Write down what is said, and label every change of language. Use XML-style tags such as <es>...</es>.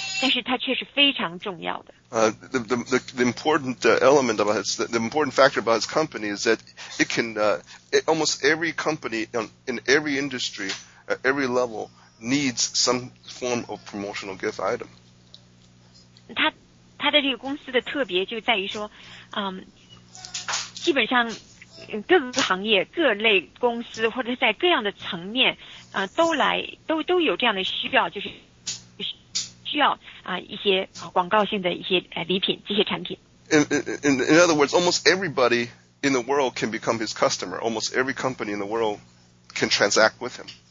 <zh>那对于信家他这样的一个做就是广告礼品以这样为产品的一个公司，他特别的非常有特别的一点，就是虽然好像不是那样令人兴奋的，但是他却是非常重要的。</zh> <en>The important element about it, the important factor about its company is that it can almost every company in every industry at every level. Needs some form of promotional gift item.</en> <zh>它的这个公司的特别就在于说，基本上各个行业、各类公司或者在各样的层面，都有这样的需要，就是需要一些广告性的一些礼品，这些产品。</zh> <en>In other words, almost everybody in the world can become his customer. Almost every company in the world can transact with him.</en>